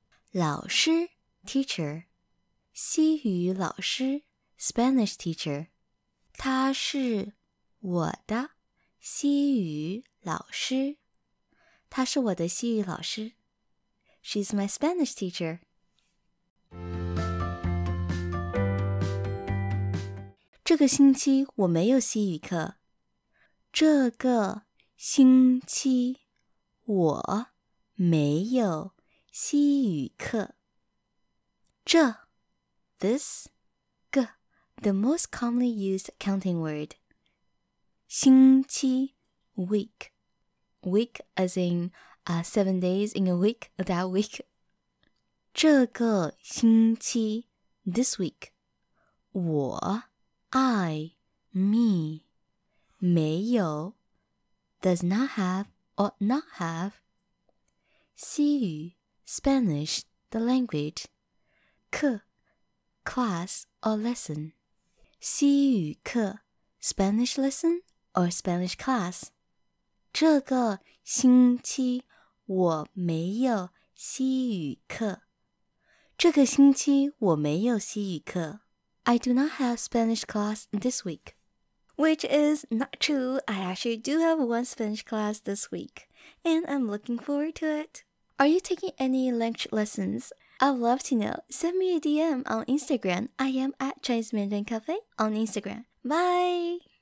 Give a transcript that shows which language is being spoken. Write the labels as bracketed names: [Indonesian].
[English] 老师 teacher. [Chinese] 西语老师 [English] Spanish teacher. [Chinese] 他是我的西语老师。他是我的西语老师。 [English] She's my Spanish teacher. [Chinese] 这个星期我没有西语课。这个星期我没有西语课。 [English] 这 this, 个 the most commonly used counting word. 星期 week. Week as in、7 days in a week, that week. [Chinese] 这个星期 [English] this week, 我 I, me, 没有 does not have, ought not have. 西语 Spanish, the language. 课 class or lesson. [Chinese] 西语课 [English] Spanish lesson or Spanish class. [Chinese] 这个星期我没有西语课。这个星期我没有西语课。 [English] I do not have Spanish class this week. Which is not true. I actually do have one Spanish class this week. And I'm looking forward to it. Are you taking any language lessons? I'd love to know. Send me a DM on Instagram. I am at Chinese Mandarin Cafe on Instagram. Bye!